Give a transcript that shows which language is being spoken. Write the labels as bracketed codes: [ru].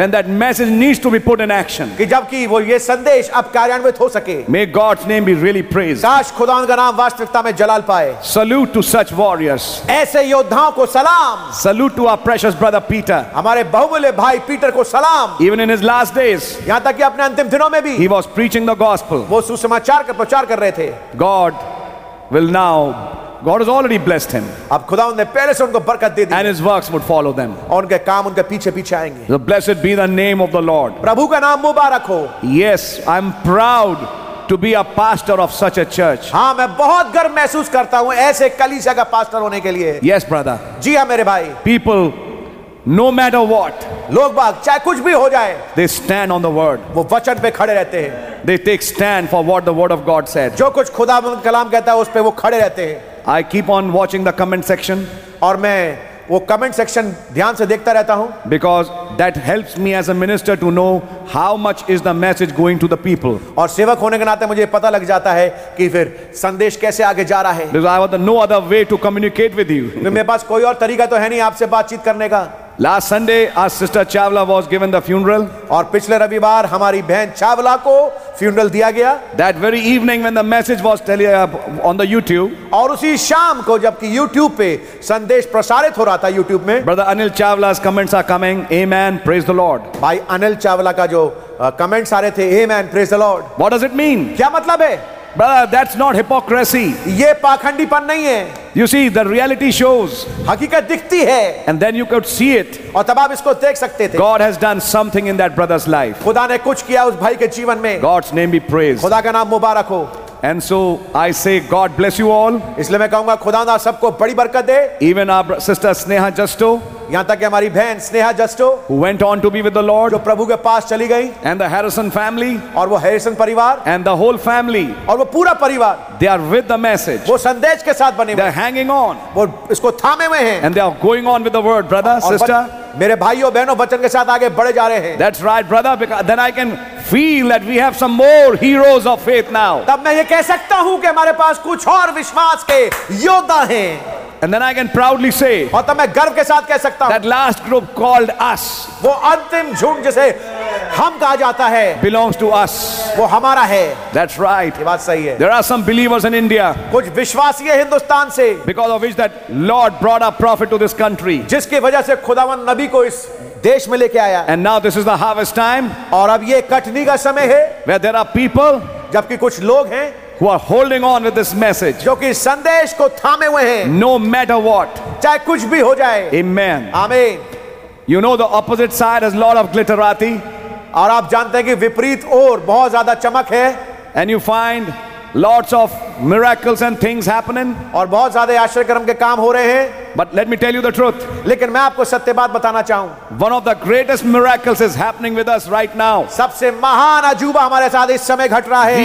[en] When that message needs to be put in action. [hi] कि जबकि वो ये संदेश अब कार्यान्वित हो सके. [en] May God's name be really praised. [hi] काश खुदा का नाम वास्तविकता में जलाल पाए. [en] Salute to such warriors. [hi] ऐसे योद्धाओं को सलाम. [en] Salute to our precious brother Peter. [hi] हमारे बहुमूल्य भाई पीटर को सलाम. [en] Even in his last days. [hi] यहां तक कि अपने अंतिम दिनों में भी. [en] He was preaching the gospel. [hi] वो सुसमाचार का प्रचार कर रहे थे. [en] God will now. God has already blessed him. [hi] अब खुदा ने पहले से उनको बरकत दे दी. [en] And his works would follow them. [hi] और उनके काम उनके पीछे पीछे आएंगे. [en] The blessed be the name of the Lord. [hi] प्रभु का नाम मुबारक हो. [en] Yes, I'm proud to be a pastor of such a church. [hi] हाँ, मैं बहुत गर्व महसूस करता हूँ ऐसे कलीसिया का पास्टर होने के लिए. [en] Yes, brother. [hi] जी हाँ मेरे भाई. [en] People. No matter what, [hi] लोग बाग चाहे कुछ भी हो जाए, [en] they stand on the word. [hi] वो वचन पे खड़े रहते हैं. [en] They take stand for what the word of God said. [hi] जो कुछ खुदा का कलाम कहता है उस पे वो खड़े रहते हैं. [en] I keep on watching the comment section. [hi] और मैं वो कमेंट सेक्शन ध्यान से देखता रहता हूँ. [en] Because that helps me as a minister to know how much is the message going to the people. [hi] और सेवक होने के नाते मुझे पता लग जाता है कि फिर संदेश कैसे आगे जा रहा है. [en] Because I have no other way to communicate with you. [hi] मेरे पास कोई और तरीका तो है नहीं आपसे बातचीत करने का. [en] Last Sunday, our sister Chavla was given the funeral. [hi] और पिछले रविवार हमारी बहन चावला को funeral दिया गया. [en] That very evening, when the message was on the YouTube. [hi] और उसी शाम को जबकि YouTube पे संदेश प्रसारित हो रहा था YouTube में. [en] Brother Anil Chavla's comments are coming. Amen. Praise the Lord. [hi] भाई अनिल चावला का जो comments आ रहे थे. [en] Amen. Praise the Lord. What does it mean? [hi] क्या मतलब है? [en] Brother, that's not hypocrisy. [hi] ये पाखंडीपन नहीं है. [en] You see, the reality shows. [hi] हकीकत दिखती है. [en] And then you could see it. [hi] और तब आप इसको देख सकते थे. [en] God has done something in that brother's life. [hi] खुदा ने कुछ किया उस भाई के जीवन में. [en] God's name be praised. [hi] खुदा का नाम मुबारक हो. [en] And so I say, God bless you all. [hi] इसलिए मैं कहूँगा खुदा ने सबको बड़ी बरकत दे. [en] Even our sister Sneha Justo. [hi] यहाँ तक कि हमारी बहन Sneha जस्टो. [en] Who went on to be with the Lord. [hi] जो प्रभु के पास चली गई. [en] And the Harrison family. [hi] और वो हैरिसन परिवार. [en] And the whole family. [hi] और वो पूरा परिवार. [en] They are with the message. [hi] वो संदेश के साथ बने हुए. [en] They are hanging on. [hi] वो इसको थामे हुए हैं. [en] And they are going on with the word, brother, sister. [hi] मेरे भाइयों बहनों वचन के साथ आगे बढ़े जा रहे हैं. [en] That's right, brother. Because then I can feel that we have some more heroes of faith now. [hi] तब मैं ये कह सकता हूँ कि हमारे पास कुछ और विश्वास के योद्धा हैं. [en] And then I can proudly say, [hi] और तब मैं गर्व के साथ कह सकता हूँ, [en] that last group called us, [hi] वो अंतिम झुंड जिसे हम कहा जाता है, [en] belongs to us, [hi] वो हमारा है. [en] That's right. [hi] ये बात सही है. [en] There are some believers in India, [hi] कुछ विश्वासी हैं हिंदुस्तान से, [en] because of which that Lord brought a prophet to this country, [hi] जिसके वजह से खुदावन नबी को इस देश में लेके आया. [en] And now this is the harvest time, [hi] और अब ये कटनी का समय है, [en] where there are people, [hi] जबकि कुछ लोग हैं. [en] Who are holding on with this message? [hi] जो कि संदेश को थामे हुए हैं. [en] No matter what. [hi] चाहे कुछ भी हो जाए. [en] Amen. Amen. You know the opposite side has a lot of glitterati. [hi] और आप जानते हैं कि विपरीत ओर बहुत ज़्यादा चमक है. [en] And you find lots of miracles and things happening. [hi] और बहुत ज़्यादे आश्चर्यकर्म के काम हो रहे हैं. [en] But let me tell you the truth. [hi] लेकिन मैं आपको सत्य बात बताना चाहूँ. [en] One of the greatest miracles is happening with us right now. [hi] सबसे महान अजूबा हमारे साथ इस समय घट रहा है.